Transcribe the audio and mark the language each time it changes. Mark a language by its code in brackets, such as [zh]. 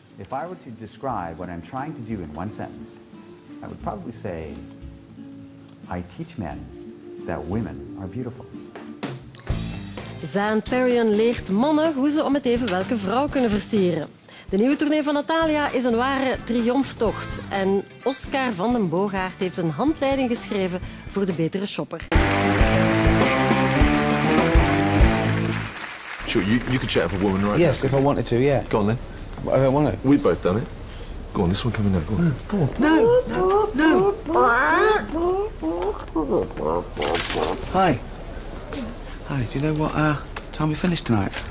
[en] If I were to describe what I'm trying to do in one sentence, I would probably say, I teach men that women are beautiful. [nl] Zan Perrion leert mannen hoe ze om het even welke vrouw kunnen versieren. De nieuwe tournee van Natalia is een ware triomftocht. En Oscar van den Boogaert heeft een handleiding geschreven voor de betere shopper. [en] Sure, you could chat up a woman, right? Yes, if I wanted to, yeah. Go on then. But I don't want it. We've both done it. Go on, this one coming now. Go on. Go on. No. Hi. Hi, do you know what time we finish tonight?